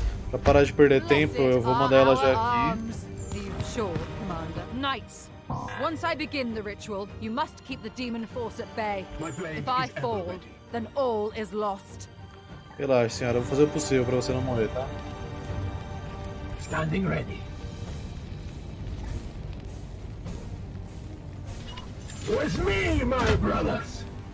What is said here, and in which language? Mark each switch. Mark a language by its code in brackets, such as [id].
[pt] Pra parar de perder tempo, eu vou mandar ela já aqui. [en] Sure, commander. Knights. Once I begin the ritual, you must keep the demon force at bay. If I fall, then all is lost. [pt] Relaxa, senhora, eu vou fazer o possível pra você não morrer, tá? [en] Standing ready. With me, my brothers.